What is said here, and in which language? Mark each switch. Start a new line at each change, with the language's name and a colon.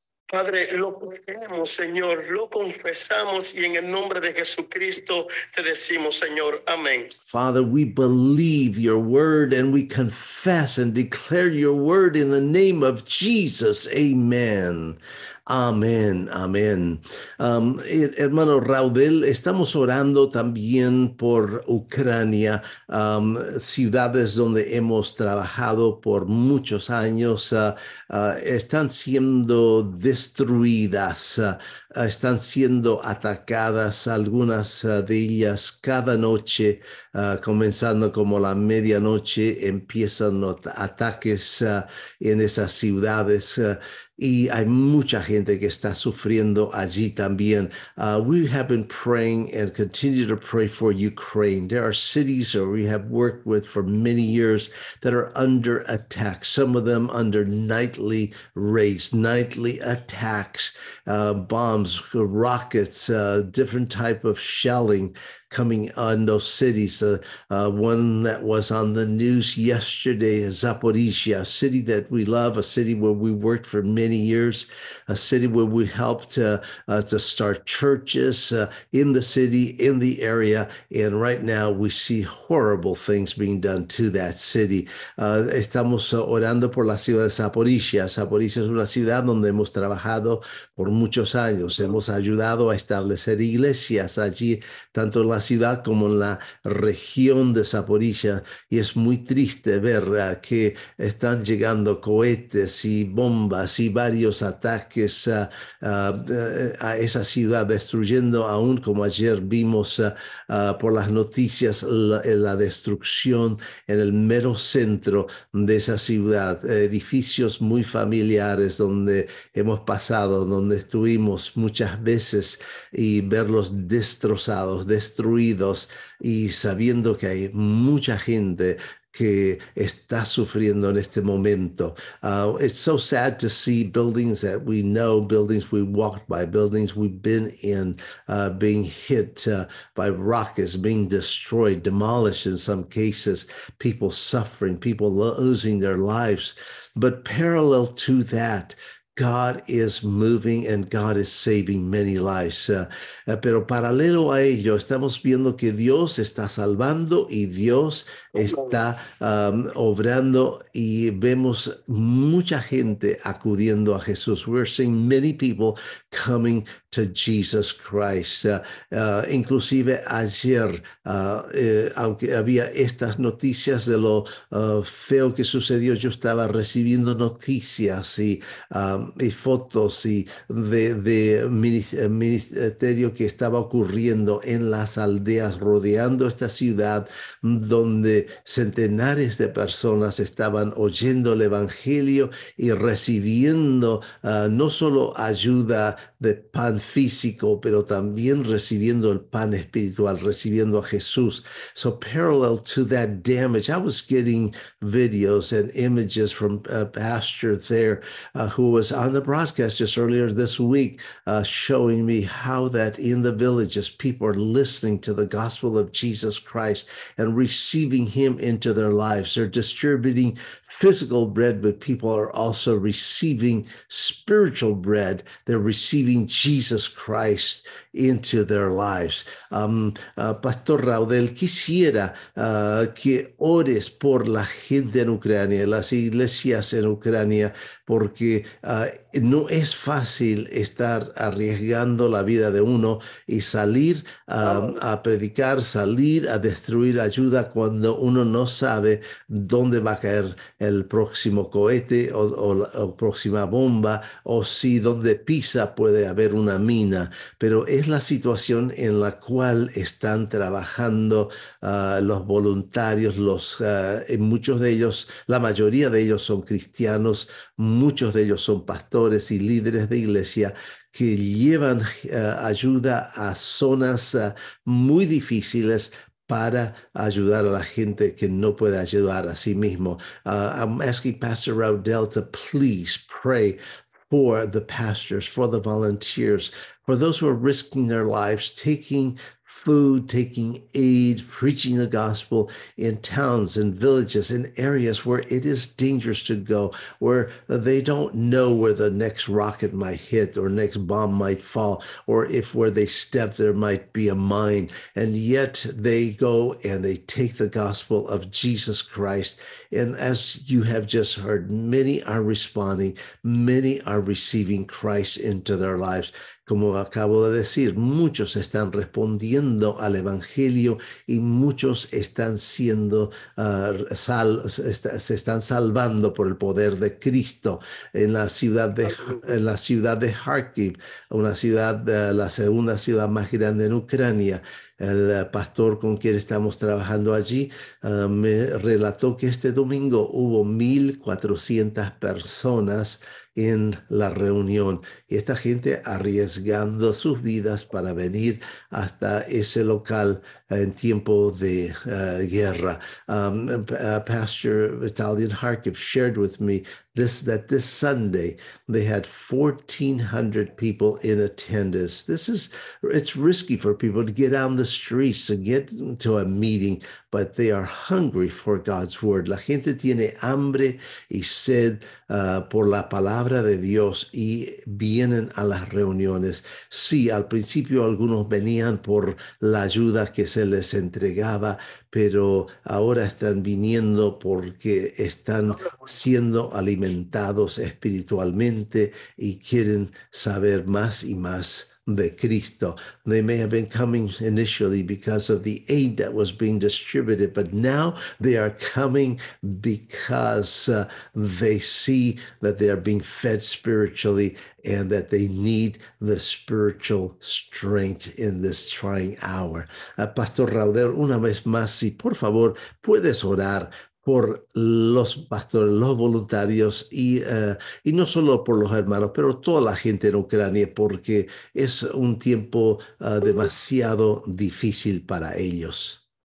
Spanish: Padre, lo creemos, Señor, lo confesamos y en el nombre de Jesucristo te decimos, Señor, amén.
English: Father, we believe your word and we confess and declare your word in the name of Jesus, amen.
Spanish: Amén, amén. Hermano Raudel, estamos orando también por Ucrania, ciudades donde hemos trabajado por muchos años, están siendo destruidas, están siendo atacadas algunas de ellas cada noche, comenzando como la medianoche, empiezan ataques en esas ciudades. Y hay mucha gente que está sufriendo allí también.
English: We have been praying and continue to pray for Ukraine. There are cities that we have worked with for many years that are under attack, some of them under nightly raids, nightly attacks, bombs, rockets, different type of shelling coming on those cities. One that was on the news yesterday is Zaporizhia, a city that we love, a city where we worked for many years, a city where we helped to start churches in the city, in the area. And right now we see horrible things being done to that city.
Spanish: Estamos orando por la ciudad de Zaporizhia. Zaporizhia es una ciudad donde hemos trabajado por muchos años. Hemos ayudado a establecer iglesias allí, tanto la ciudad como en la región de Zaporizhia, y es muy triste ver que están llegando cohetes y bombas y varios ataques a esa ciudad, destruyendo aún, como ayer vimos por las noticias, la destrucción en el mero centro de esa ciudad, edificios muy familiares donde hemos pasado, donde estuvimos muchas veces, y verlos destruidos y sabiendo que hay mucha gente que está sufriendo en este momento.
English: It's so sad to see buildings that we know, buildings we walked by, buildings we've been in, being hit by rockets, being destroyed, demolished in some cases, people suffering, people losing their lives. But parallel to that, God is moving and God is saving many lives.
Spanish: Pero paralelo a ello, estamos viendo que Dios está salvando y Dios está obrando y vemos mucha gente acudiendo a Jesús.
English: We're seeing many people coming to Jesus Christ.
Spanish: Inclusive ayer, aunque había estas noticias de lo feo que sucedió, yo estaba recibiendo noticias y fotos y de ministerio que estaba ocurriendo en las aldeas rodeando esta ciudad donde centenares de personas estaban oyendo el evangelio y recibiendo no solo ayuda de pan físico, pero también recibiendo el pan espiritual, recibiendo a Jesús.
English: So parallel to that damage, I was getting videos and images from a pastor there who was on the broadcast just earlier this week, showing me how that in the villages, people are listening to the gospel of Jesus Christ and receiving him into their lives. They're distributing physical bread, but people are also receiving spiritual bread. They're receiving Jesus Christ into their lives.
Spanish: Pastor Raudel, quisiera que ores por la gente en Ucrania, las iglesias en Ucrania, porque no es fácil estar arriesgando la vida de uno y salir a predicar, salir a destruir ayuda cuando uno no sabe dónde va a caer el próximo cohete o próxima bomba, o si donde pisa puede haber una mina. Pero es la situación en la cual están trabajando los voluntarios, muchos de ellos, la mayoría de ellos son cristianos, muchos de ellos son pastores y líderes de iglesia que llevan ayuda a zonas muy difíciles para ayudar a la gente que no puede ayudar a sí mismo.
English: I'm asking Pastor Raudel to please pray for the pastors, for the volunteers, for those who are risking their lives, taking food, taking aid, preaching the gospel in towns and villages, in areas where it is dangerous to go, where they don't know where the next rocket might hit or next bomb might fall, or if where they step there might be a mine. And yet they go and they take the gospel of Jesus Christ. And as you have just heard, many are responding, many are receiving Christ into their lives.
Spanish: Como acabo de decir, muchos están respondiendo al Evangelio y muchos están siendo, se están salvando por el poder de Cristo. En la ciudad de Kharkiv, una ciudad, la segunda ciudad más grande en Ucrania, el pastor con quien estamos trabajando allí, me relató que este domingo hubo 1.400 personas en la reunión, y esta gente arriesgando sus vidas para venir hasta ese local en tiempo de guerra.
English: Pastor Italian Kharkiv shared with me that this Sunday they had 1,400 people in attendance. It's risky for people to get on the streets to get to a meeting, but they are hungry for God's word.
Spanish: La gente tiene hambre y sed por la palabra de Dios y vienen a las reuniones. Sí, al principio algunos venían por la ayuda que se les entregaba, pero ahora están viniendo porque están siendo alimentados espiritualmente y quieren saber más y más de Cristo.
English: They may have been coming initially because of the aid that was being distributed, but now they are coming because they see that they are being fed spiritually and that they need the spiritual strength in this trying hour.
Spanish: Pastor Raudel, una vez más, si por favor puedes orar por los pastores, los voluntarios y no solo por los hermanos, pero toda la gente en Ucrania, porque es un tiempo demasiado difícil para ellos.